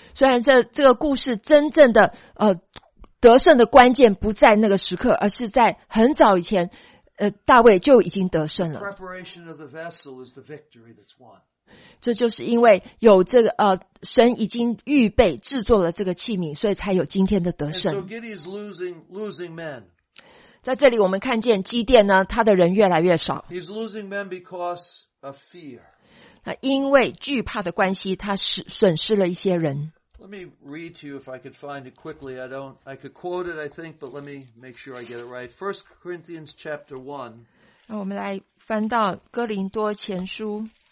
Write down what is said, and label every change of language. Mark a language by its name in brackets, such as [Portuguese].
[Chinese] 虽然这个故事真正的得胜的关键不在那个时刻，而是在很早以前，大卫就已经得胜了。 [English] Preparation of the vessel is the victory that's won. [Chinese] 这就是因为有这个神已经预备制作了这个器皿，所以才有今天的得胜。 [English] And so Gideon's losing men. [Chinese] 在这里我们看见基甸呢，他的人越来越少。 [English] He's losing men because of fear. [Chinese] 那因为惧怕的关系，他损失了一些人。 [English] Let me read to you if I could find it quickly. I could quote it, I think, but let me make sure I get it right. 1 Corinthians chapter 1. [Chinese] 那我们来翻到哥林多前书。